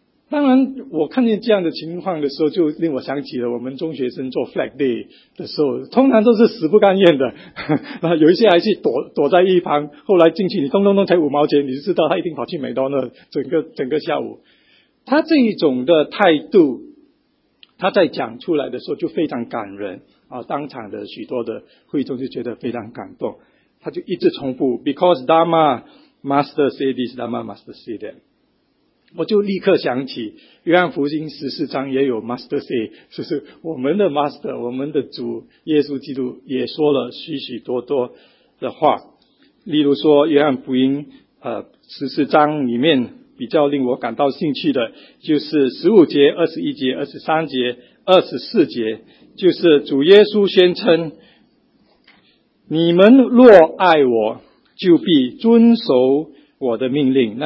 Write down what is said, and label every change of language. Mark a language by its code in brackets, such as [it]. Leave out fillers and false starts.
[zh] 当然我看见这样的情况的时候，就令我想起了我们中学生做 flag day 的时候，通常都是死不甘愿的，有一些还是 躲在一旁，后来进去你咚咚咚才五毛钱，你就知道他一定跑去美东了整个下午。他这一种的态度，他在讲出来的时候就非常感人啊，当场的许多的会众就觉得非常感动。他就一直重复 [en] Because Dharma Master say this, Dharma Master say that。 [zh] 我就立刻想起约翰福音14章也有 Master say， 就是我们的 Master， 我们的主耶稣基督也说了许许多多的话。例如说约翰福音14章里面比较令我感到兴趣的，就是15节21节23节24节，就是主耶稣宣称，你们若爱我，就必遵守我的命令。